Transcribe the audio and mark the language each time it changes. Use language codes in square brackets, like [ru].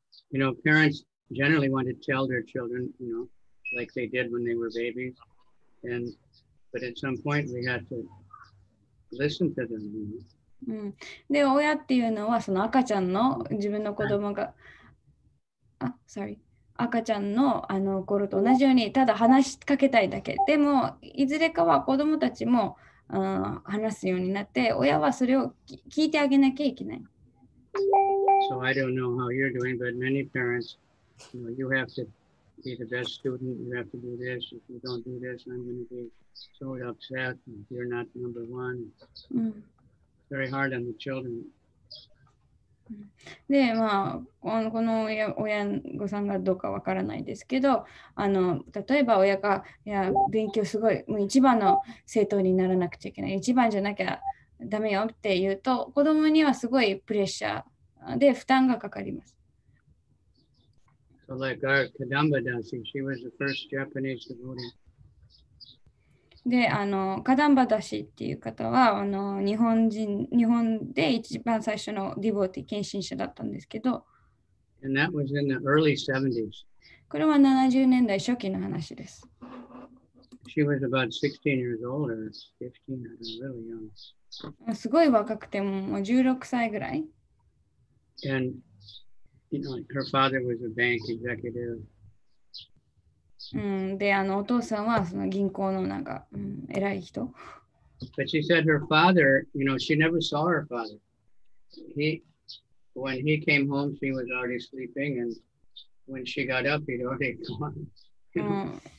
[en] You know, parents generally want to tell their children, you know, like they did when they were babies. And, but at some point we have to listen to them, you know. [ja] で、親っていうのはその赤ちゃんの自分の子供が、赤ちゃんのあの頃と同じようにただ話しかけたいだけでもいずれかは子供たちも話すようになって親はそれを聞いてあげなきゃいけない。 [en] So I don't know how you're doing, but many parents, you know, you have to be the best student, you have to do this. If you don't do this, I'm going to be so upset. You're not number one. Very hard on the children. [ja] で、まあ、この親御さんがどうかわからないですけど、例えば親が、いや、勉強すごい、もう一番の生徒にならなくちゃいけない、一番じゃなきゃダメよって言うと、子供にはすごいプレッシャーで負担がかかります。 [en] So like our Kadamba Dasi, she was the first Japanese devotee. [ja] で、カダンバダシっていう方は、日本で一番最初のディボーティー献身者だったんですけど。 [en] And that was in the early 70s. [ja] これは70年代初期の話です。 [en] She was about 16 years old or 15, I don't know, really young. [ja] すごい若くても、もう16歳ぐらい。 [en] And, you know, her father was a bank executive. [ja] で、あの、お父さんはその銀行のなんか、偉い人。 [en] But she said her father, you know, she never saw her father. When he came home, she was already sleeping, and when she got up, he'd already gone.